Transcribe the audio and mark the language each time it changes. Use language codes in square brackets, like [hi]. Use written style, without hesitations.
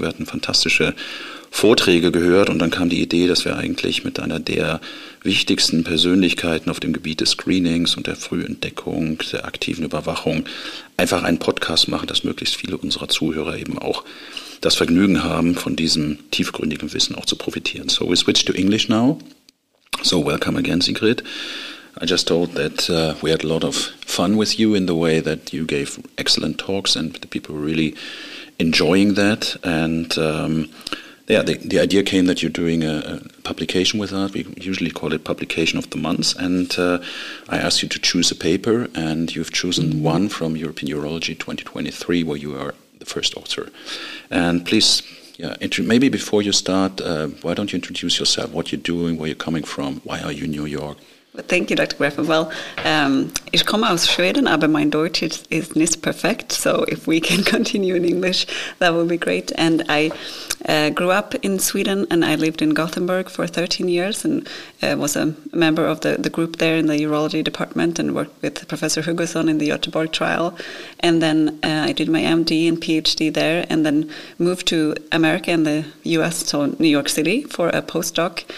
[de] Wir hatten fantastische Vorträge gehört und dann kam die Idee, dass wir eigentlich mit einer der wichtigsten Persönlichkeiten auf dem Gebiet des Screenings und der Frühentdeckung, der aktiven Überwachung, einfach einen Podcast machen, dass möglichst viele unserer Zuhörer eben auch das Vergnügen haben, von diesem tiefgründigen Wissen auch zu profitieren. [en] So we switch to English now. So welcome again, Sigrid. I just told that we had a lot of fun with you in the way that you gave excellent talks and the people were really enjoying that. And the idea came that you're doing a publication with us. We usually call it publication of the month. And I asked you to choose a paper and you've chosen one from European Urology 2023 where you are the first author. And please, maybe before you start, why don't you introduce yourself, what you're doing, where you're coming from, why are you in New York? Thank you, Dr. Greifen. [de] Well, ich komme aus Schweden, aber mein Deutsch ist nicht perfekt. [en] So if we can continue in English, that would be great. And I grew up in Sweden and I lived in Gothenburg for 13 years and was a member of the group there in the urology department and worked with Professor Hugosson in the Göteborg trial. And then I did my MD and PhD there and then moved to America and the US, so New York City, for a postdoc.